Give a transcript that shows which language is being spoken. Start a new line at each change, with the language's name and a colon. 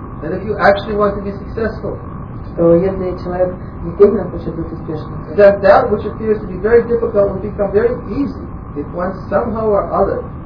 English: That if you actually want to be successful,
Russian: то если человек действительно хочет быть успешным,
English: that that which appears to be very difficult will become very easy if one somehow or other